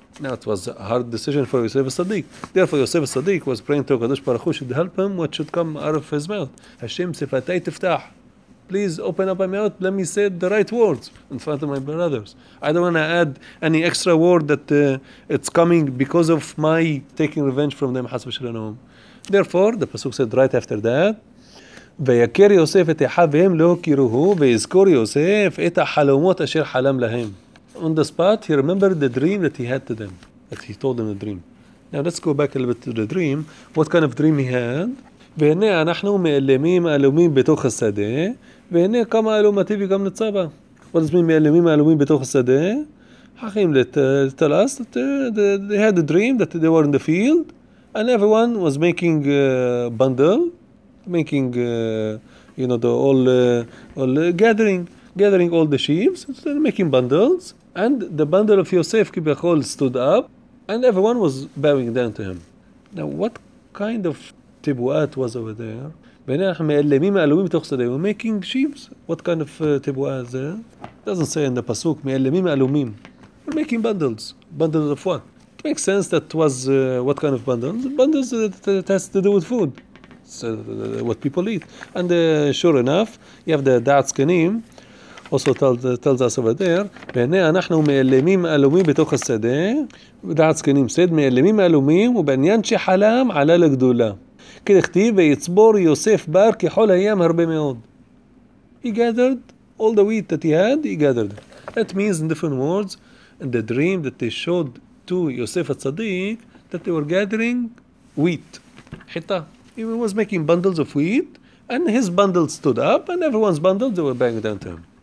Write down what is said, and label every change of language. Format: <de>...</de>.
<en>Now, it was a hard decision for Yosef HaTzadik. Therefore, Yosef HaTzadik was praying to HaKadosh Baruch Hu should help him what should come out of his mouth. Hashem, Sifatay Tiftah. Please open up my mouth. Let me say the right words in front of my brothers. I don't want to add any extra word that it's coming because of my taking revenge from them, Hasb Shalom. Therefore, the Pasuk said right after that,</en> <he>ויקר יוסף את אחיו לא הכירוהו ויזכור יוסף את החלומות אשר חלם להם.</he> <en>On the spot, he remembered the dream that he had to them, that he told them the dream. Now let's go back a little bit to the dream. What kind of dream he had?</en> <he>והנה אנחנו מאלמים אלומים בתוך השדה, והנה כמה אלומתי וגם נצבה.</he> <en>What does it mean,</en> <he>מאלמים אלומים בתוך השדה?</he> <en>חכים לתל אס, they had a dream that they were in the field, and everyone was making a bundle, making, you know, the all gathering all the sheaves, making bundles, and the bundle of Yosef Kibachol stood up, and everyone was bowing down to him. Now, what kind of tibuat was over there? We're making sheaves. What kind of tibuat is there? It doesn't say in the pasuk</en> <he>me'elamim alumim.</he> <en>We're making bundles. Bundles of what? It makes sense that was what kind of bundles? Bundles that has to do with food. So what people eat. And sure enough, you have the Da'at Zkenim also tells us over there,</en> <he>והנה אנחנו מאלמים אלומים בתוך השדה,</he> <en>Da'at Zkenim said,</en> <he>מאלמים אלומים, ובעניין שחלם עלה לגדולה. כדכתיב, ויצבור יוסף בר ככל הים הרבה מאוד.</he> <en>He gathered all the wheat that he gathered. That means in different words, in the dream that they showed to Yosef HaTzadik, that they were gathering wheat. Hita. He was making bundles of wheat, and his bundle stood up, and everyone's bundles, they were banging down to him.</en>